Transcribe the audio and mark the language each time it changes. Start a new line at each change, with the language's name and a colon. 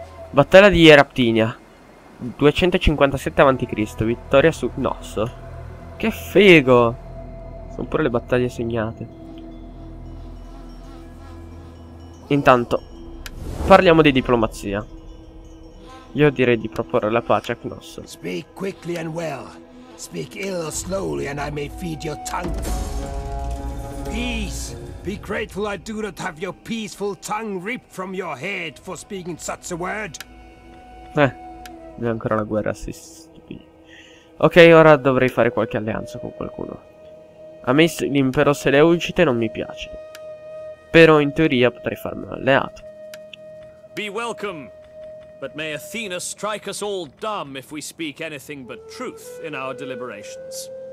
Italian: Battaglia di Eratinia, 257 a.C. Vittoria su Cnosso. Che figo! Sono pure le battaglie segnate. Intanto, parliamo di diplomazia. Io direi di proporre la pace a Cnosso.
English: Speak quickly and well. Speak ill or slowly and I may feed your tongue. Peace. Be grateful I do not have your peaceful tongue ripped from your head for speaking such a word.
Italian: È ancora una guerra, sì, stupido. Ok, ora dovrei fare qualche alleanza con qualcuno. A me l'impero Seleucide non mi piace. Però in teoria potrei farmi un alleato.
English: Be welcome. But may Athena strike us all dumb if we speak anything but truth in our deliberations.